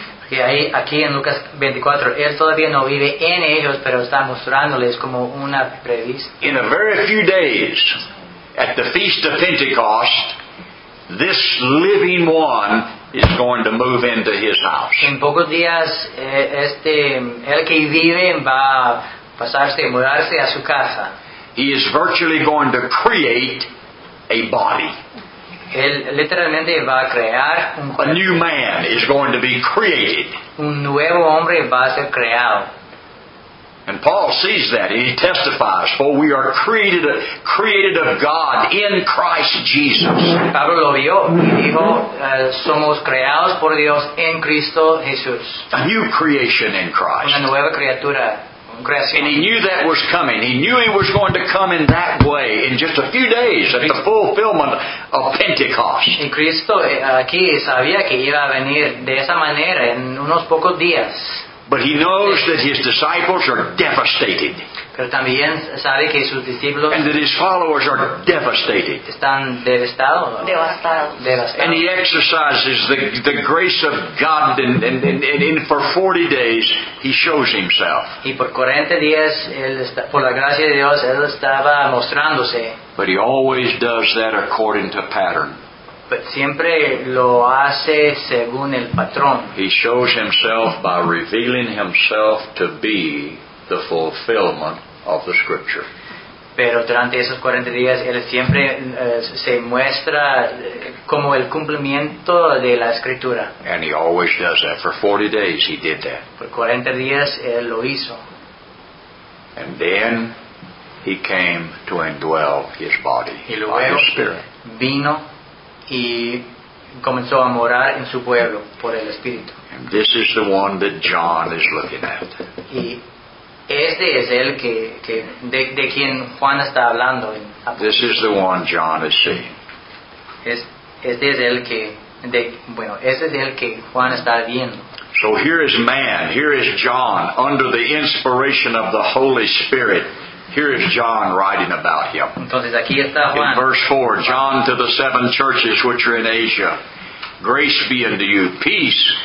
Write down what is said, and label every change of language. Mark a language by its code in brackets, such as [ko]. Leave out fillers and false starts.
[es] Y ahí, aquí en Lucas 24, él todavía no vive en ellos, pero está mostrándoles como una prevista. [en] In a very few days, at the Feast of Pentecost, this living one is going to move into his house. [es] En pocos días, el que vive va a pasarse, mudarse a su casa. [en] He is virtually going to create a body. [es] Él literalmente va a crear un cuerpo. [en] A new man is going to be created. [es] Un nuevo hombre va a ser creado. [en] And Paul sees that, and he testifies, for we are created of God in Christ Jesus. [es] Pablo lo vio y dijo, somos creados por Dios en Cristo Jesús. [en] A new creation in Christ. [es] Una nueva criatura. [en] And he knew that was coming. He knew he was going to come in that way in just a few days at the fulfillment of Pentecost. [es] Y Cristo aquí sabía que iba a venir de esa manera en unos pocos días. [en] But he knows that his disciples are devastated. [es] Pero también sabe que sus discípulos, [en] and that his followers are devastated. [es] Están devastados. Devastados. [en] And he exercises the grace of God, and for 40 days he shows himself. [es] Y por 40 días, por la gracia de Dios, él estaba mostrándose. [en] But he always does that according to pattern. [es] But siempre lo hace según el patrón. [en] He shows himself by revealing himself to be the fulfillment of the scripture. [es] Pero durante esos 40 días él siempre se muestra como el cumplimiento de la escritura. [en] And he always does that. For 40 days he did that. [es] Por 40 días él lo hizo. [en] And then he came to indwell his body by his spirit. [es] Vino y comenzó a morar en su pueblo por el Espíritu. [en] And this is the one that John is looking at. [es] Y este es el que de quien Juan está hablando. [en] This is the one John is seeing. [es] Este es el que este es el que Juan está viendo. [en] So here is man, here is John, under the inspiration of the Holy Spirit. Here is John writing about him. [es] Entonces, aquí está Juan. [en] In verse 4, John to the seven churches which are in Asia, grace be unto you. Peace.